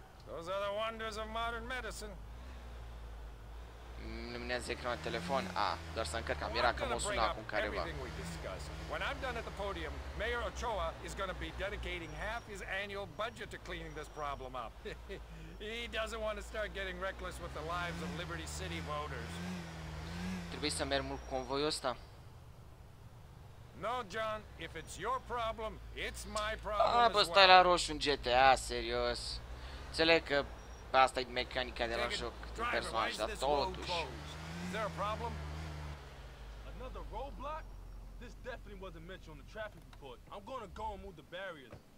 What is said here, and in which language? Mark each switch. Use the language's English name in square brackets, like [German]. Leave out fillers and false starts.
[English] Those are the wonders of modern medicine. [Romanian] Luminează ecranul de telefon? A, doar să încărcam, era că m-o sună acum careva. [English] When I'm done at the podium, Mayor Ochoa is gonna be dedicating half his annual budget to cleaning this problem up. He doesn't want to start getting reckless with the lives of Liberty City voters. [Romanian] Trebuie să merg mult cu convoiul ăsta. [English] No, John, if it's your problem, it's my problem. [Romanian] Ah, bă, stai la roșu în GTA, serios. Înțeleg că asta e mecanica de la joc, de personaj, dar totuși. [English] Is there a problem? Another roadblock? This definitely wasn't mentioned on the traffic report. I'm gonna go and move the barriers.